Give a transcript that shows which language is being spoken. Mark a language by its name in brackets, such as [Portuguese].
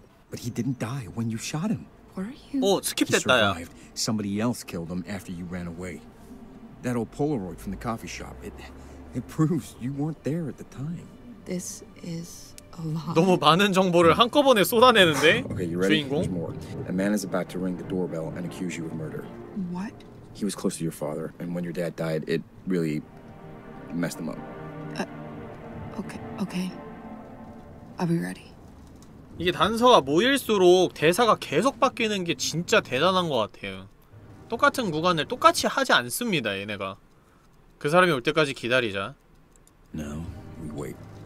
[English] But he didn't die when you shot him. Where are you? [Korean] 오, 스킵됐다. [English] Somebody else killed him after you ran away. That old Polaroid from the coffee shop. It proves you weren't there at the time. This is a lot. [Korean] 너무 많은 정보를 한꺼번에 쏟아내는데. [English] Okay, you ready? There's more. A man is about to ring the doorbell and accuse you of murder. What? He was close to your father, and when your dad died, it really messed him up. Okay. I'll be ready. [Korean] 이게 단서가 모일수록 대사가 계속 바뀌는 게 진짜 대단한 것 같아요. 똑같은 구간을 똑같이 하지 않습니다, 얘네가. 그 사람이 올 때까지 기다리자. [English] No, we wait.